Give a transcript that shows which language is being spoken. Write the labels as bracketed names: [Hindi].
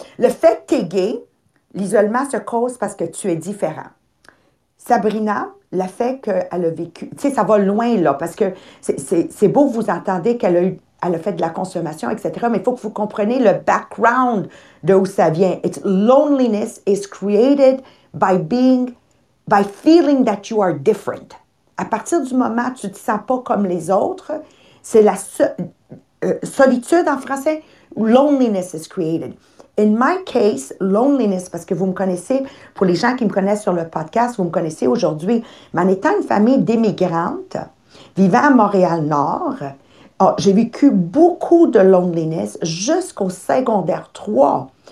[French] Le fait que tu es gay, l'isolement se cause parce que tu es différent. Sabrina, le fait qu'elle a vécu, tu sais, ça va loin, là, parce que c'est beau que vous entendez elle a fait de la consommation, etc. Mais il faut que vous compreniez le background de où ça vient. [English] Loneliness is created by feeling that you are different. [French] À partir du moment où tu ne te sens pas comme les autres, c'est la solitude en français, [English] loneliness is created. In my case, loneliness, [French] parce que vous me connaissez, pour les gens qui me connaissent sur le podcast, vous me connaissez aujourd'hui, mais en étant une famille d'immigrantes vivant à Montréal-Nord, oh, j'ai vécu beaucoup de loneliness jusqu'au secondaire 3.